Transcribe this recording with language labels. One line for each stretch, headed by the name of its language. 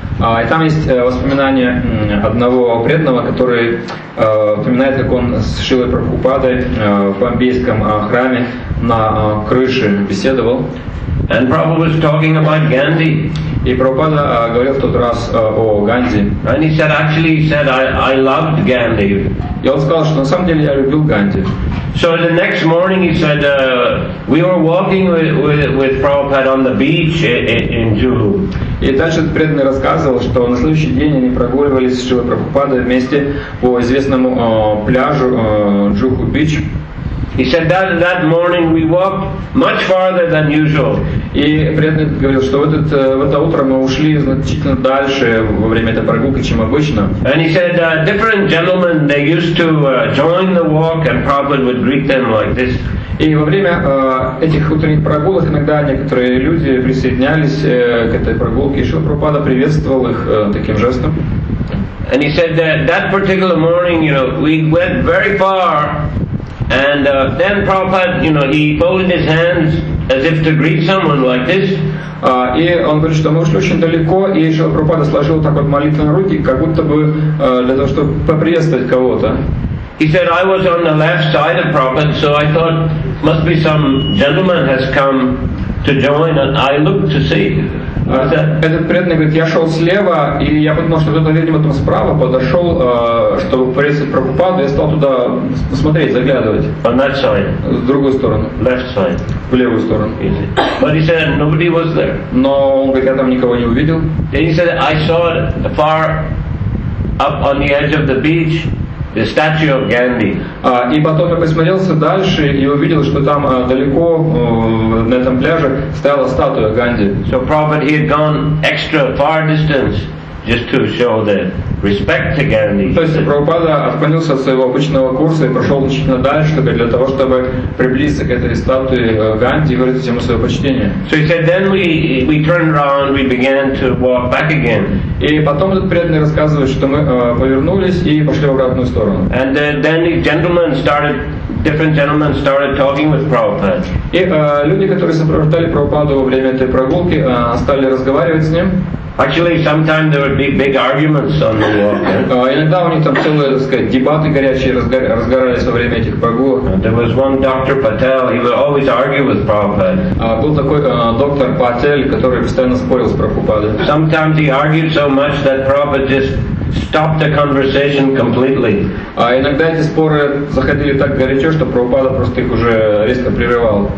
Russian: И там есть воспоминания одного преданного, который упоминает, как он с Шилой Прабхупадой в бомбейском храме на крыше беседовал.
English: And Prabhupada was talking about Gandhi.
Russian: И Прабхупада говорил в тот раз о Ганди.
English: And he said, actually, he said, I loved Gandhi.
Russian: И он сказал, что на самом деле я любил Ганди.
English: So the next morning he said, we were walking with Prabhupada on the beach in Juhu.
Russian: И дальше преданный рассказывал, что на следующий день они прогуливались с Шрилой Прабхупадой вместе по известному пляжу Juhu Beach.
English: He said that morning we walked much farther than usual.
Russian: И преданный говорил, что в это утро мы ушли значительно дальше во время этой прогулки, чем обычно.
English: And he said different gentlemen they used to join the walk and Prabhupada would greet them like this.
Russian: И во время этих утренних прогулок иногда некоторые люди присоединялись к этой прогулке, и Шрила Прабхупада приветствовал их таким жестом.
English: And he said that particular morning, you know, we went very far. And then Prabhupada, you know, he folded his hands as if to greet someone like this.
Russian: И он говорит, что мы ушли очень далеко, и Шрила Прабхупада сложил так вот молитвенные руки, как будто бы для того, чтобы поприветствовать кого-то.
English: He said, I was on the left side of Prabhupada, so I thought must be some gentleman has come to join, and I looked to see.
Russian: Этот преданный говорит, я шел слева, и я подумал, что кто-то, видимо, там справа подошел, чтобы приветствовать Прабхупаду, я стал туда смотреть, заглядывать.
English: On that side.
Russian: В другую сторону.
English: Left side.
Russian: В левую сторону.
English: But he said, nobody was there.
Russian: Но он говорит, я там никого не увидел.
English: Then he said, I saw far up on the edge of the beach. The statue of Gandhi.
Russian: И потом я посмотрелся дальше и увидел, что там далеко на этом пляже стояла статуя Ганди.
English: So Prabhupada he had gone extra far distance just to show the respect to Gandhi.
Russian: То есть Прабхупада отклонился от своего обычного курса и прошел значительно дальше, чтобы для того, чтобы приблизиться к этой статуе Ганди и выразить ему свое почтение.
English: So he said, then we turned around, we began to walk back again.
Russian: И потом этот преданный рассказывает, что мы повернулись и пошли в обратную сторону.
English: And then the gentlemen started. Different gentlemen started talking with Prabhupada.
Russian: И люди, которые сопровождали Прабхупаду во время этой прогулки, стали разговаривать с ним.
English: Actually, sometimes there would be big arguments on the walk.
Russian: Иногда у них там целые, так сказать, дебаты горячие разгорались во время этих прогулок.
English: There was one Dr. Patel. He would always argue with Prabhupada.
Russian: Был такой доктор Патель, который постоянно спорил с Прабхупадой.
English: Sometimes he argued so much that Prabhupada just stop the conversation completely.
Russian: Иногда эти споры заходили так горячо, что Прабхупада просто их уже резко прерывал.